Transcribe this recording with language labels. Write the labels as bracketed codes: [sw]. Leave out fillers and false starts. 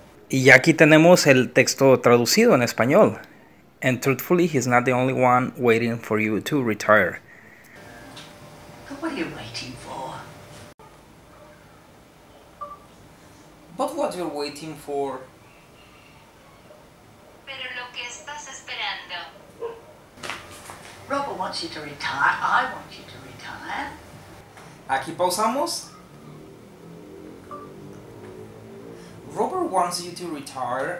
[es] Y ya aquí tenemos el texto traducido en español. [en] And truthfully, he's not the only one waiting for you to retire. But what are you waiting for? But what you're waiting for? [es] Pero lo que estás esperando. [en] Robert wants you to retire. I want you to retire. [es] Aquí pausamos. [en] Robert wants you to retire.